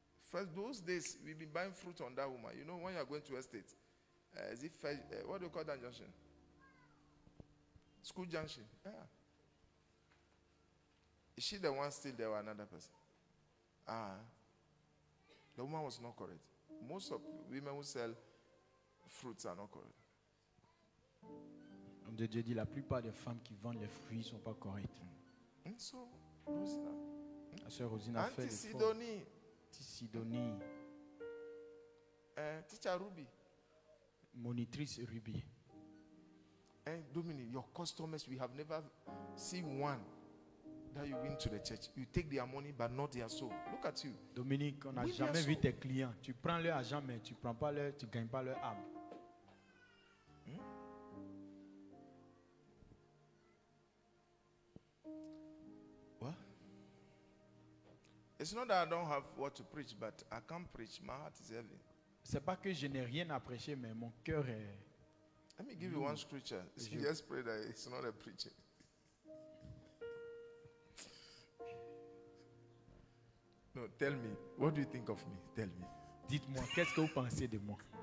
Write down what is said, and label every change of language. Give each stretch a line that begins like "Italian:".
English: First, those days, we've been buying fruit on that woman. You know, when you're going to estate, is it first, what do you call that junction? School junction. Yeah. Is she the one still there or another person? The woman was not correct. Most of women who sell fruits are not correct.
French: De Dieu dit, la plupart des femmes qui vendent les fruits ne sont pas correctes.
English: So, Rosina.
French: La soeur Rosina fait l'effort. Sidonie. Sidonie.
English: Teacher Ruby.
French: Monitrice Ruby.
English: And Dominique, your customers, we have never seen one that you win to the church. You take their money, but not their soul. Look at you.
French: Dominique, on n'a jamais vu tes clients. Tu prends leur argent, mais tu prends pas leur, tu gagnes pas leur âme.
English: What? It's not that I don't have what to preach, but I can't preach. My heart is heavy.
French: C'est pas que je n'ai rien à prêcher, mais mon cœur est.
English: Let me give you one scripture. Just pray that it's not a preaching. No, tell me. What do you think of me? Tell me.
French: Dites-moi, qu'est-ce que vous pensez de moi?